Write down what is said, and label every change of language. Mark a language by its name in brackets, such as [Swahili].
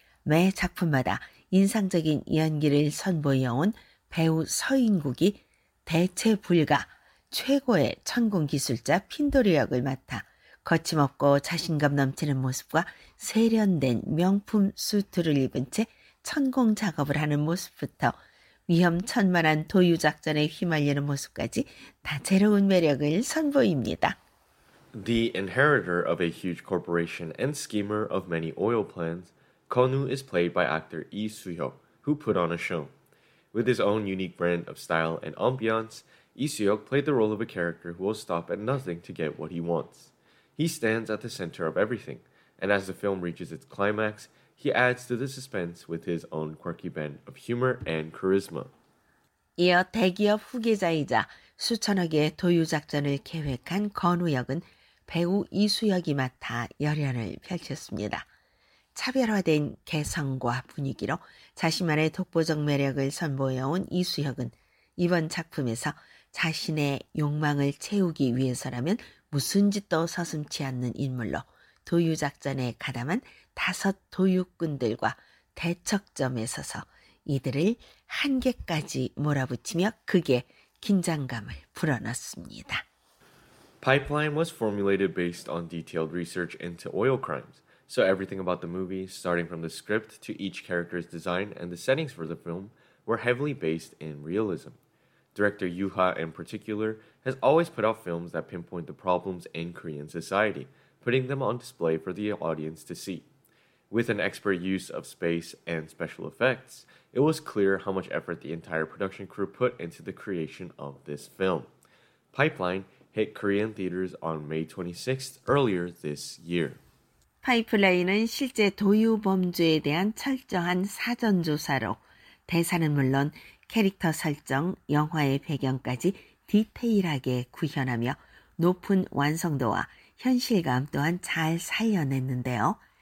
[Korean] 매 작품마다 인상적인 연기를 선보여온 배우 서인국이 대체 불가 최고의 천공 기술자 핀돌이 역을 맡아 거침없고 자신감 넘치는 모습과 세련된 명품 수트를 입은 채 천공 작업을 하는 모습부터 위험천만한 도유작전에 휘말리는 모습까지 다채로운 매력을 선보입니다. [English] The inheritor of a huge corporation and schemer of many oil plans, Konu is played by actor Lee Soo-hyuk, who put on a show. With his own unique brand of style and ambiance, Lee Soo-hyuk played the role of a character who will stop at nothing to get what he wants. He stands at the center of everything, and as the film reaches its climax, he adds to the suspense with his own quirky blend of humor and charisma. [Korean] 이어 대기업 후계자이자 수천억의 도유작전을 계획한 건우 역은 배우 이수혁이 맡아 열연을 펼쳤습니다. 차별화된 개성과 분위기로 자신만의 독보적 매력을 선보여온 이수혁은 이번 작품에서 자신의 욕망을 채우기 위해서라면 무슨 짓도 서슴지 않는 인물로 도유작전에 가담한 다섯 도유꾼들과 대척점에 서서 이들을 한계까지 몰아붙이며 극의 긴장감을 불어넣습니다. [English] Pipeline was formulated based on detailed research into oil crimes. So everything about the movie, starting from the script to each character's design and the settings for the film, were heavily based in realism. Director Yoo Ha, in particular, has always put out films that pinpoint the problems in Korean society, putting them on display for the audience to see. With an expert use of space and special effects, it was clear how much effort the entire production crew put into the creation of this film. Pipeline hit Korean theaters on May 26th earlier this year. [Korean] Pipeline은 실제 도유 범죄에 대한 철저한 사전 조사로 대사는 물론 캐릭터 설정, 영화의 배경까지 디테일하게 구현하며 높은 완성도와 현실감 또한 잘 살려냈는데요.